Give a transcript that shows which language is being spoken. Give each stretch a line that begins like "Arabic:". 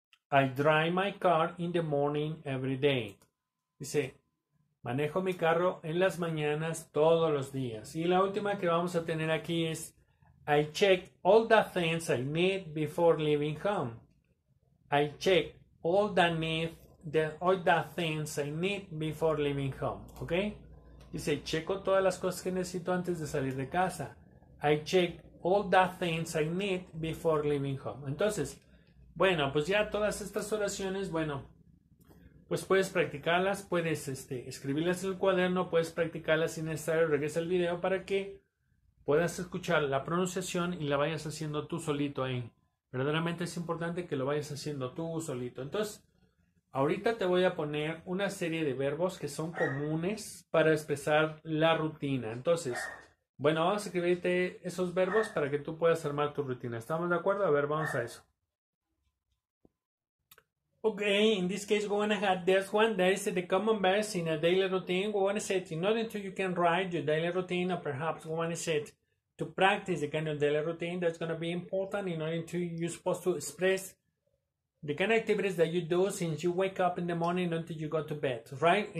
English: I drive my car in the morning every day.
Spanish: Dice, manejo mi carro en las mañanas todos los días. Y la última que vamos a tener aquí es,
English: I check all the things I need before leaving home. I check all the things I need before leaving home. ¿Ok?
Spanish: Dice, checo todas las cosas que necesito antes de salir de casa.
English: I check all the things I need before leaving home.
Spanish: Entonces, bueno, pues ya todas estas oraciones, bueno, pues puedes practicarlas, puedes escribirlas en el cuaderno, puedes practicarlas si necesario, regresa al video para que puedas escuchar la pronunciación y la vayas haciendo tú solito ahí. Verdaderamente es importante que lo vayas haciendo tú solito. Entonces, ahorita te voy a poner una serie de verbos que son comunes para expresar la rutina. Entonces, bueno, vamos a escribirte esos verbos para que tú puedas armar tu rutina. ¿Estamos de acuerdo? A ver, vamos a eso.
English: Okay, in this case, we want to have this one. That is the common verbs in a daily routine. We want to set in order to you can write your daily routine, or perhaps we want to set to practice the kind of daily routine that's going to be important in order to you're supposed to express the kind of activities that you do since you wake up in the morning until you go to bed, right?